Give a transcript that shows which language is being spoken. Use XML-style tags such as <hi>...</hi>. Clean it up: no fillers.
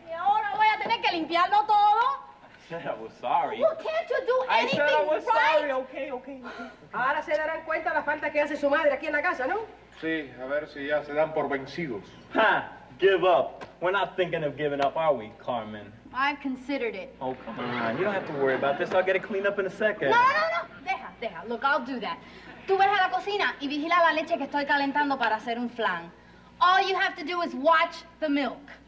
<es>Y ahora voy a tener que limpiarlo todo.</es> <en>I said I was sorry. Well, can't you do anything right? I said I was right? Sorry. Okay.</en> <es>Ahora se darán cuenta de la falta que hace su madre aquí en la casa, ¿no? Sí, a ver si ya se dan por vencidos.</es> <en>Ha! Give up. We're not thinking of giving up, are we, Carmen? I've considered it. Oh, come on. You don't have to worry about this. I'll get it cleaned up in a second. No.</en> <es>Deja.</es> <en>Look, I'll do that.</en> <es>Tú ves a la cocina y vigila la leche que estoy calentando para hacer un flan.</es> <en>All you have to do is watch the milk.</en>